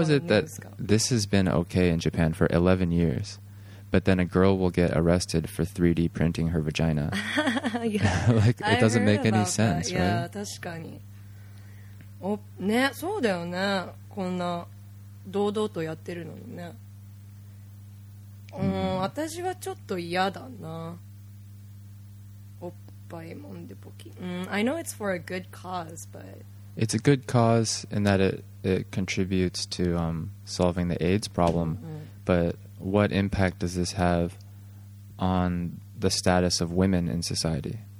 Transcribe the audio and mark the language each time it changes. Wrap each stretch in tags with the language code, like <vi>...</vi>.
<en>is it that this has been okay in Japan for 11 years, but then a girl will get arrested for 3D printing her vagina? Like, it doesn't make any sense, right?</en> <ja>Yeah, 確かに。ね、そうだよね。こんな堂々とやってるのにね。</ja> <en>I know it's for a good cause, but it's a good cause in that it contributes to solving the AIDS problem. But what impact does this have on the status of women in society?</en>